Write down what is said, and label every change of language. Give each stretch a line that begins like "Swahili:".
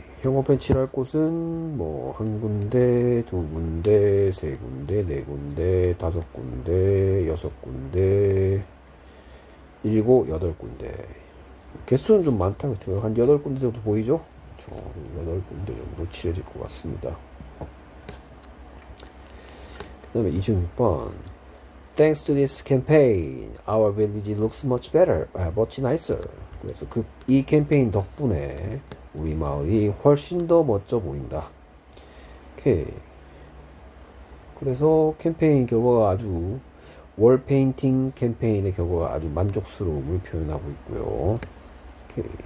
Korean: 형광펜 칠할 곳은 뭐한 군데, 두 군데, 세 군데, 네 군데, 다섯 군데, 여섯 군데, 일곱, 여덟 군데. 개수는 좀 많다, 그쵸? 한 여덟 군데 정도 보이죠? 여덟 군데 정도 칠해질 것 같습니다. 그다음에 26번.
English: Thanks to this campaign, our village looks much better, much nicer.
Korean: 그래서 이 캠페인 덕분에 우리 마을이 훨씬 더 멋져 보인다. 오케이. 그래서 캠페인 결과가 아주 월 페인팅 캠페인의 결과가 아주 만족스러움을 표현하고 있고요. 오케이.